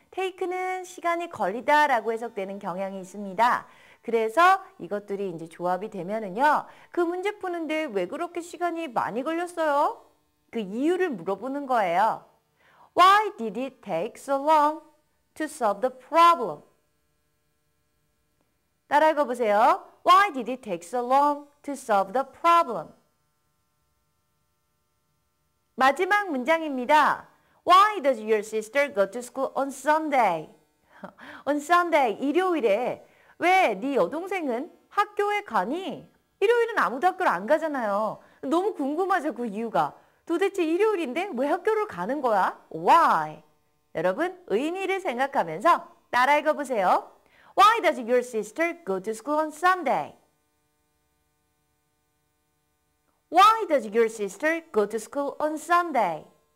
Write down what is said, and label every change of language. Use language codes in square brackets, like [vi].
[ko] Take는 시간이 걸리다 라고 해석되는 경향이 있습니다. 그래서 이것들이 이제 조합이 되면은요. 그 문제 푸는데 왜 그렇게 시간이 많이 걸렸어요? 그 이유를 물어보는 거예요. [en] Why did it take so long to solve the problem? [ko] 따라 읽어보세요. [en] Why did it take so long to solve the problem? [ko] 마지막 문장입니다. [en] Why does your sister go to school on Sunday? On Sunday, [ko] 일요일에. 왜 네 여동생은 학교에 가니? 일요일은 아무도 학교를 안 가잖아요. 너무 궁금하죠, 그 이유가. 도대체 일요일인데 왜 학교를 가는 거야? [en] Why? [ko] 여러분, 의미를 생각하면서 따라 읽어보세요. [en] Why does your sister go to school on Sunday? Why does your sister go to school on Sunday?